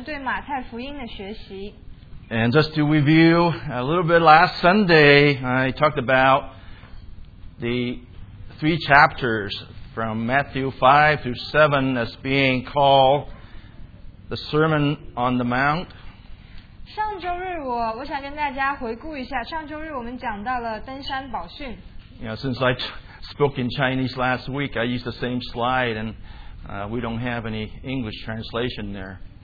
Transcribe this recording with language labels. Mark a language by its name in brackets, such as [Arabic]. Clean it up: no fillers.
[Chinese] 今天早上我们会继续我们对马太福音的学习。 [English] And just to review a little bit, last Sunday I talked about the three chapters from Matthew 5 through 7 as being called the Sermon on the Mount. [Chinese] 上周日我想跟大家回顾一下，上周日我们讲到了登山宝训。 [English] Yeah, since I spoke in Chinese last week, I used the same slide, and we don't have any English translation there.